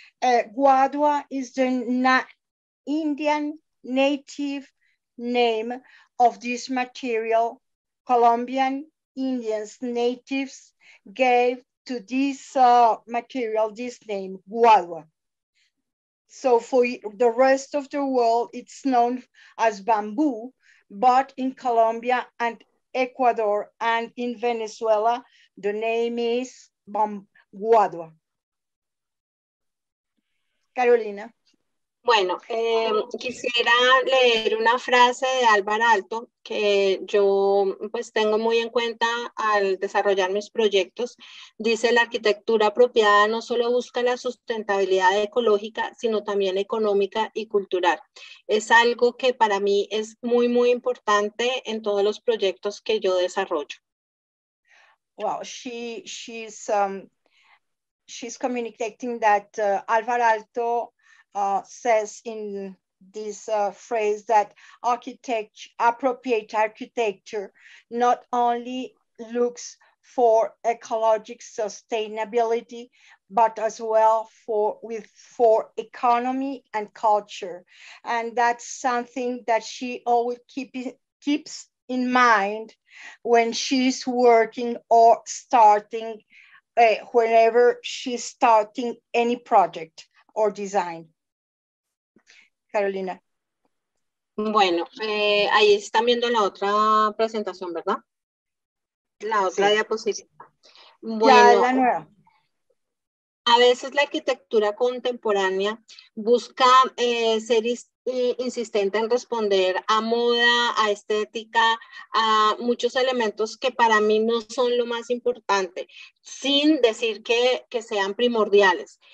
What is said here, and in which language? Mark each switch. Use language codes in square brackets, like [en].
[en] Guadua is the Indian native name of this material Colombian Indians, natives, gave to this material this name, guadua. So for the rest of the world, it's known as bamboo, but in Colombia and Ecuador and in Venezuela, the name is guadua. Carolina. [es] Bueno, quisiera leer una frase de Álvaro Alto que yo pues tengo muy en cuenta al desarrollar mis proyectos. Dice, la arquitectura apropiada no solo busca la sustentabilidad ecológica, sino también económica y cultural. Es algo que para mí es muy, muy importante en todos los proyectos que yo desarrollo. [en] Well, she's communicating that Álvaro Alto says in this phrase that appropriate architecture not only looks for ecologic sustainability, but as well for economy and culture. And that's something that she always keeps in mind when she's working or starting, whenever she's starting any project or design. Carolina. [es] Bueno, ahí están viendo la otra presentación, ¿verdad? La otra diapositiva. Bueno, la nueva. A veces la arquitectura contemporánea busca ser insistente en responder a moda, a estética, a muchos elementos que para mí no son lo más importante, sin decir que sean primordiales.